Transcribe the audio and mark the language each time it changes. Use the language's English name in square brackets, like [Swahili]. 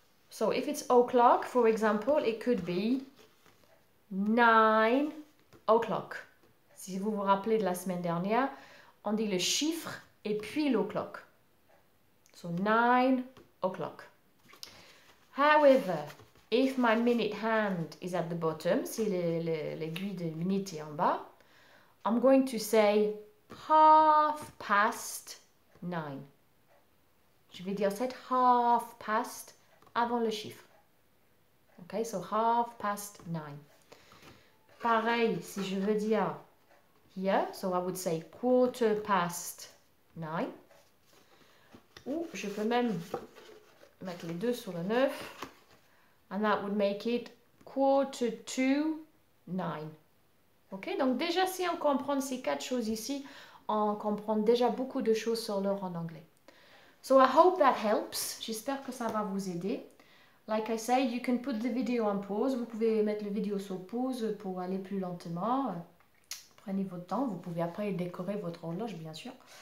[English] So, if it's o'clock, for example, it could be 9 o'clock. [French] Si vous vous rappelez de la semaine dernière, on dit le chiffre et puis l'o'clock. [English] So, 9 o'clock. However, if my minute hand is at the bottom, [French] si l'aiguille de minute est en bas, [English] I'm going to say 9:30. [French] Je vais dire cette 9:30 avant le chiffre. [English] Ok, so 9:30. [French] Pareil, si je veux dire [English] here, so I would say 9:15. [French] Ou je peux même mettre les deux sur le 9. [English] And that would make it quarter to nine. [French] Ok, donc déjà si on comprend ces quatre choses ici, on comprend déjà beaucoup de choses sur l'heure en anglais. [English] So I hope that helps. [French] J'espère que ça va vous aider. [English] Like I say, you can put the video on pause. [French] Vous pouvez mettre la vidéo sur pause pour aller plus lentement. Prenez votre temps. Vous pouvez après décorer votre horloge, bien sûr.